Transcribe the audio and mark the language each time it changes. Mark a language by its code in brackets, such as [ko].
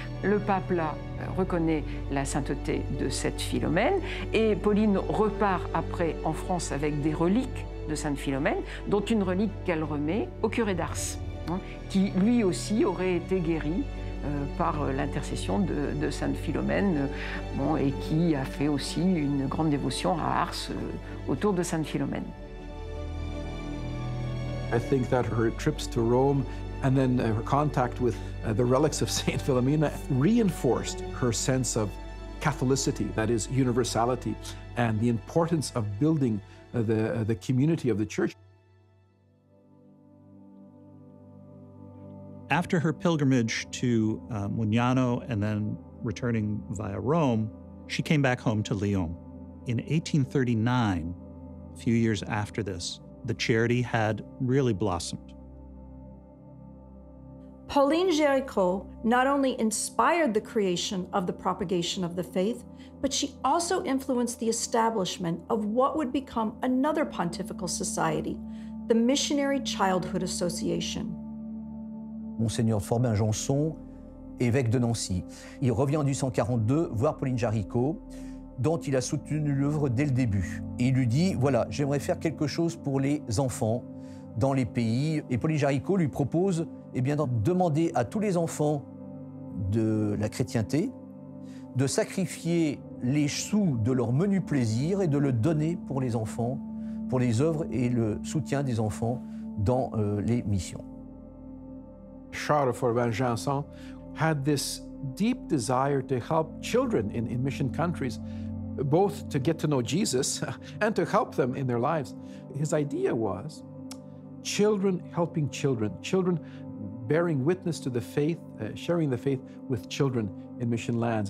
[fr] Le pape là reconnaît la sainteté de cette Philomène et Pauline repart après en France avec des reliques de Sainte Philomène, dont une relique qu'elle remet au curé d'Ars, hein, qui lui aussi aurait été guéri par l'intercession de Sainte Philomène, bon, et qui a fait aussi une grande dévotion à Ars autour de Sainte Philomène. [en] I think that her trips to Rome and then her contact with the relics of Saint Philomena reinforced her sense of Catholicity, that is universality, and the importance of building the community of the church. After her pilgrimage to Mugnano and then returning via Rome, she came back home to Lyon. In 1839, a few years after this, the charity had really blossomed. Pauline Jaricot not only inspired the creation of the propagation of the faith, but she also influenced the establishment of what would become another pontifical society, the Missionary Childhood Association. [fr] Monseigneur Forbin Janson, évêque de Nancy. Il revient en 1842 voir Pauline Jaricot, dont il a soutenu l'œuvre dès le début. Et il lui dit, voilà, j'aimerais faire quelque chose pour les enfants dans les pays. Et Pauline Jaricot lui propose eh bien, de demander à tous les enfants de la chrétienté de sacrifier les sous de leur menu plaisir et de le donner pour les enfants, pour les œuvres et le soutien des enfants dans les missions. [en] Charles Forbin Janson had this deep desire to help children in mission countries, both to get to know Jesus and to help them in their lives. His idea was children helping children, children bearing witness to the faith, sharing the faith with children in mission lands.